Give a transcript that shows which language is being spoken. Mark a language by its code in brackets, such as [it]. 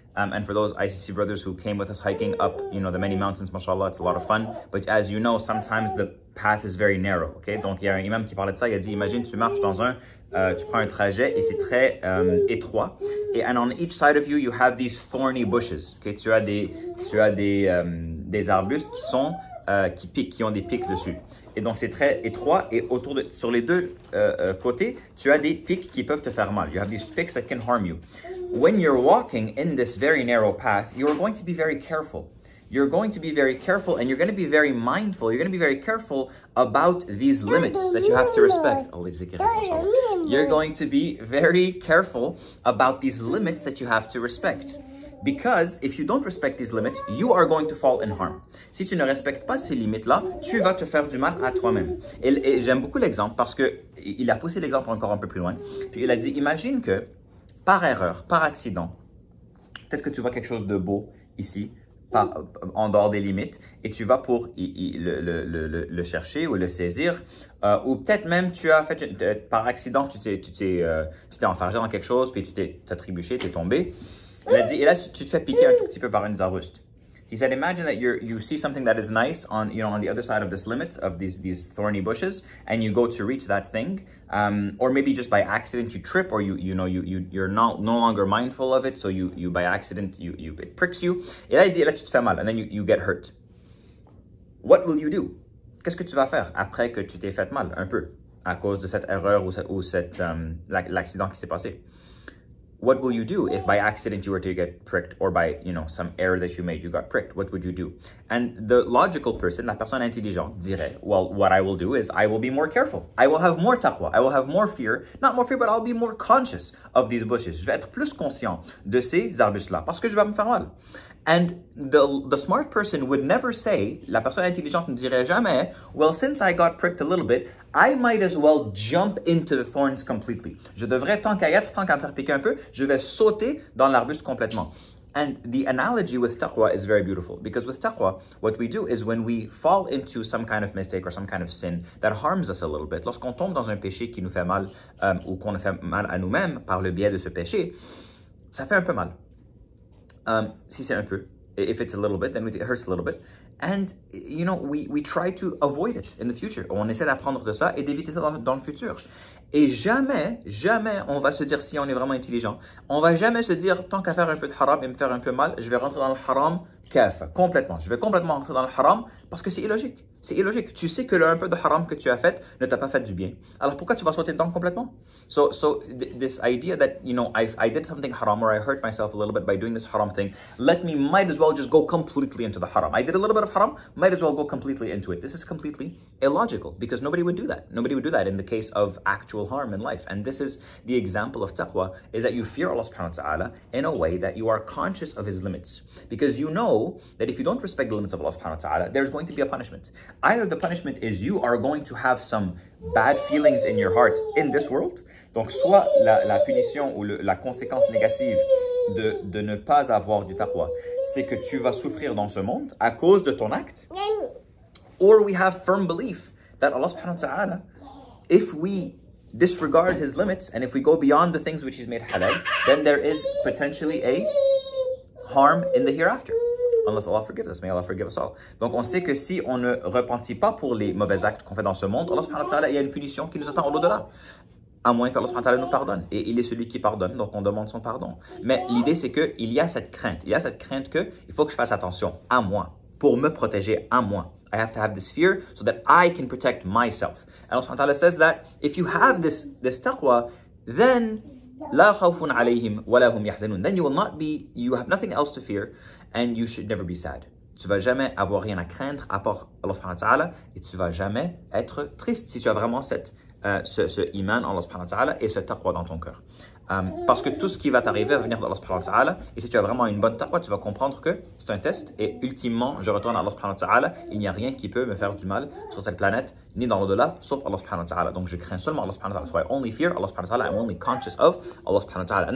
[en] And for those ICC brothers who came with us hiking up, you know, the many mountains, mashallah, it's a lot of fun. But as you know, sometimes the path is very narrow, okay? [fr] Donc, il y a un imam qui parlait de ça, il a dit, imagine, tu marches dans un, tu prends un trajet et c'est très étroit. [en] And on each side of you, you have these thorny bushes, okay? [fr] Tu as des arbustes qui sont, qui piquent, qui ont des pics dessus. Et donc, c'est très étroit et autour de, sur les deux côtés, tu as des pics qui peuvent te faire mal. [en] You have these pics that can harm you. When you're walking in this very narrow path, you're going to be very careful. You're going to be very careful and you're going to be very mindful. You're going to be very careful about these limits that you have to respect. You're going to be very careful about these limits that you have to respect. Because if you don't respect these limits, you are going to fall in harm. [fr] Si tu ne respectes pas ces limites-là, tu vas te faire du mal à toi-même. Et j'aime beaucoup l'exemple parce qu'il a poussé l'exemple encore un peu plus loin. Puis il a dit, imagine que par erreur, par accident, peut-être que tu vois quelque chose de beau ici, pas, en dehors des limites, et tu vas pour le chercher ou le saisir, ou peut-être même tu as fait, par accident, tu t'es enfargé dans quelque chose, puis tu t'es trébuché, tu es tombé. Il a dit, et là, tu te fais piquer un tout petit peu par une arbuste. [en] He said, imagine that you see something that is nice on, you know, on the other side of this limit, of these thorny bushes, and you go to reach that thing. Or maybe just by accident you trip, or you're not no longer mindful of it, so you by accident you it pricks you. [fr] Et là, il dit, et là, tu te fais mal, [en] and then you get hurt. What will you do? [fr] Qu'est-ce que tu vas faire après que tu t'es fait mal un peu à cause de cette erreur l'accident qui s'est passé? [en] What will you do if by accident you were to get pricked or by, you know, some error that you made, you got pricked? What would you do? And the logical person, [fr] la personne intelligente, [en] dirait, well, what I will do is I will be more careful. I will have more taqwa. I will have more fear. Not more fear, but I'll be more conscious of these bushes. [fr] Je vais être plus conscient de ces arbustes-là parce que je vais me faire mal. [en] And the smart person would never say, [fr] la personne intelligente ne dirait jamais, [en] well, since I got pricked a little bit, I might as well jump into the thorns completely. [fr] Je devrais, tant qu'à me faire piquer un peu, je vais sauter dans l'arbuste complètement. [en] And the analogy with taqwa is very beautiful. Because with taqwa, what we do is when we fall into some kind of mistake or some kind of sin that harms us a little bit, [fr] lorsqu'on tombe dans un péché qui nous fait mal ou qu'on fait mal à nous-mêmes par le biais de ce péché, ça fait un peu mal. Si c'est un peu, [en] if it's a little bit, then it hurts a little bit. And, you know, we try to avoid it in the future. [fr] On essaie d'apprendre de ça et d'éviter ça dans le futur. Et jamais, jamais, on va se dire, si on est vraiment intelligent, on va jamais se dire, tant qu'à faire un peu de haram et me faire un peu mal, je vais rentrer dans le haram, kaf, complètement. Je vais complètement rentrer dans le haram parce que c'est illogique. C'est illogique. Tu sais que le un peu de haram que tu as fait ne t'a pas fait du bien. Alors pourquoi tu vas sauter dedans complètement? [en] So this idea that, you know, I did something haram or I hurt myself a little bit by doing this haram thing, let me, might as well just go completely into the haram. I did a little bit of haram, might as well go completely into it. This is completely illogical because nobody would do that. Nobody would do that in the case of actual harm in life. And this is the example of taqwa, is that you fear Allah subhanahu wa ta'ala in a way that you are conscious of his limits. Because you know that if you don't respect the limits of Allah subhanahu wa ta'ala, there's going to be a punishment. Either the punishment is you are going to have some bad feelings in your heart in this world. [fr] Donc soit la punition ou la conséquence négative de ne pas avoir du taqwa, c'est que tu vas souffrir dans ce monde à cause de ton acte. [en] Or we have firm belief that Allah subhanahu wa ta'ala, if we disregard his limits and if we go beyond the things which he's made halal, then there is potentially a harm in the hereafter. Unless Allah forgives us, may Allah forgive us all. [fr] Donc on sait que si on ne repentit pas pour les mauvais actes qu'on fait dans ce monde, Allah subhanahu wa ta'ala, il y a une punition qui nous attend au-delà. À moins qu'Allah subhanahu wa ta'ala nous pardonne. Et il est celui qui pardonne, donc on demande son pardon. Mais l'idée c'est qu'il y a cette crainte. Il y a cette crainte qu'il faut que je fasse attention à moi, pour me protéger à moi. [en] I have to have this fear so that I can protect myself. And Allah subhanahu wa ta'ala says that if you have this taqwa, then [ar] لا خوف عليهم ولا هم يحزنون. [en] Then you will not be, you have nothing else to fear, and you should never be sad. [fr] Tu vas jamais avoir rien à craindre à part Allah subhanahu wa ta'ala, et tu vas jamais être triste si tu as vraiment ce iman en Allah subhanahu wa ta'ala et ce taqwa dans ton cœur. Parce que tout ce qui va t'arriver va venir d'Allah subhanahu wa ta'ala, et si tu as vraiment une bonne taqwa, tu vas comprendre que c'est un test, et ultimement, je retourne à Allah subhanahu wa ta'ala, il n'y a rien qui peut me faire du mal sur cette planète, ni dans l'au-delà, sauf Allah subhanahu wa ta'ala. Donc je crains seulement Allah subhanahu wa ta'ala. [en] So I only fear Allah subhanahu wa ta'ala, I'm only conscious of Allah subhanahu wa ta'ala.